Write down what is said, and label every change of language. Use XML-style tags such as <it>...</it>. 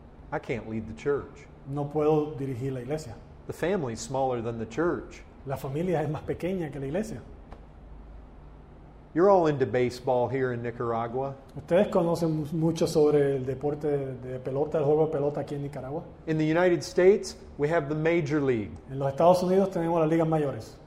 <en>I can't lead the church.</en> <es>No puedo dirigir la iglesia.</es> <en>The family is smaller than the church.</en> <es>La familia es más pequeña que la iglesia.</es> <en>You're all into baseball here in Nicaragua.</en> <es>¿Ustedes conocen mucho sobre el deporte de pelota, el juego de pelota aquí en Nicaragua?</es> <en>In the United States, we have the Major League.</en> <es>En los Estados Unidos tenemos las ligas mayores.</es>